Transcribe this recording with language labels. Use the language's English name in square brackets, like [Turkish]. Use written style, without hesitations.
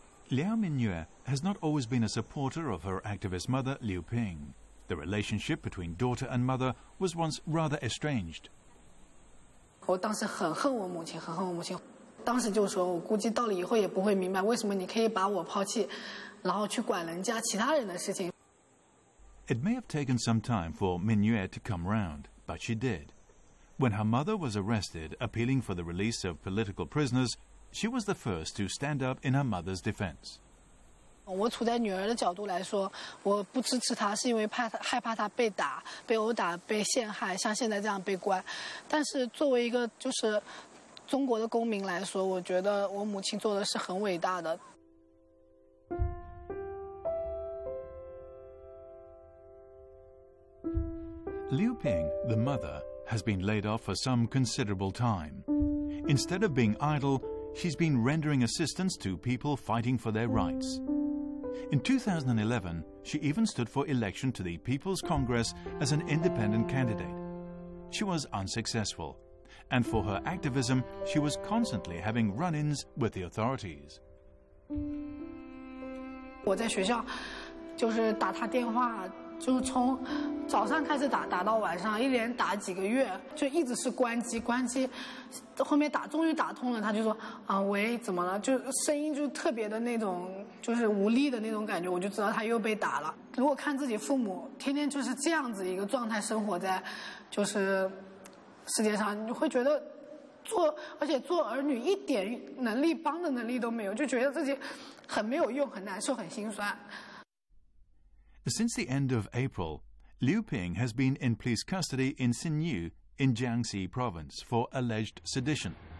[English] Liao Minyue has not always been a supporter of her activist mother, Liu Ping. The relationship between daughter and mother was once rather estranged. [Chinese] 我当时很恨我母亲，很恨我母亲。当时就说，我估计到了以后也不会明白为什么你可以把我抛弃，然后去管人家其他人的事情。 [English] It may have taken some time for Minuet to come round, but she did. When her mother was arrested, appealing for the release of political prisoners, she was the first to stand up in her mother's defense. [Chinese] 我处在女儿的角度来说，我不支持她是因为害怕她被打、被殴打、被陷害，像现在这样被关。但是作为一个就是中国的公民来说，我觉得我母亲做的是很伟大的。 [English] Liu Ping, the mother, has been laid off for some considerable time. Instead of being idle, she's been rendering assistance to people fighting for their rights. In 2011, she even stood for election to the People's Congress as an independent candidate. She was unsuccessful, and for her activism, she was constantly having run-ins with the authorities. [Chinese] 我在学校就是打他电话，就是从早上开始打，打到晚上，一连打几个月，就一直是关机关机。后面打，终于打通了，他就说：“啊，喂，怎么了？”就声音就特别的那种，就是无力的那种感觉，我就知道他又被打了。如果看自己父母天天就是这样子一个状态生活在，就是世界上，你会觉得做，而且做儿女一点能力帮的能力都没有，就觉得自己很没有用，很难受，很心酸。 [English] Since the end of April, Liu Ping has been in police custody in Xinyu in Jiangxi province for alleged sedition.